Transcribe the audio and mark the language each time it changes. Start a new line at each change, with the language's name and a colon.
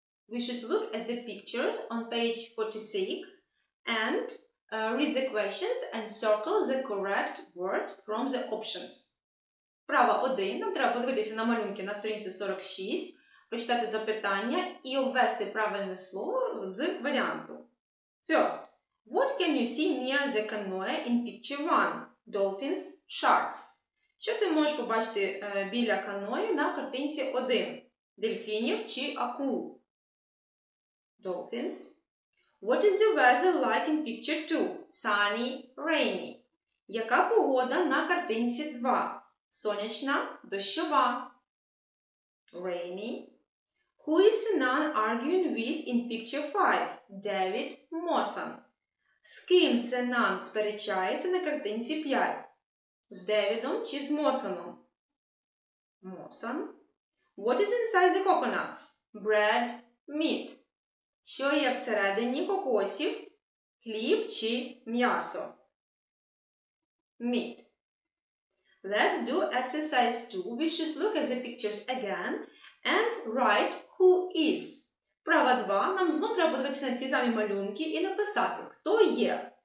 English: We should look at the pictures on page 46 and read the questions and circle the correct word from the options.
Ukrainian: Вправа 1. Нам треба подивитися на малюнки на сторінці 46, прочитати запитання і ввести правильне слово з варіанту.
English: First, what can you see near the canoe in picture 1? Dolphins, sharks.
Ukrainian: Що ти можеш побачити біля каної на картинці 1? Дельфінів чи акул?
English: Dolphins. What is the weather like in picture 2? Sunny, rainy.
Ukrainian: Яка погода на картинці 2? Сонячна, дощова.
English: Rainy. Who is the nun arguing with in picture 5? David Mawson.
Ukrainian: З ким це нам сперечається на картинці 5? З Девідом чи з Мосоном?
English: Мосон. What is inside the coconuts? Bread, meat.
Ukrainian: Що є всередині кокосів? Хліб чи м'ясо?
English: Meat. Let's do exercise 2. We should look at the pictures again and write who is.
Ukrainian: Права 2. Нам знову треба подивитися на ці самі малюнки і написати, хто є.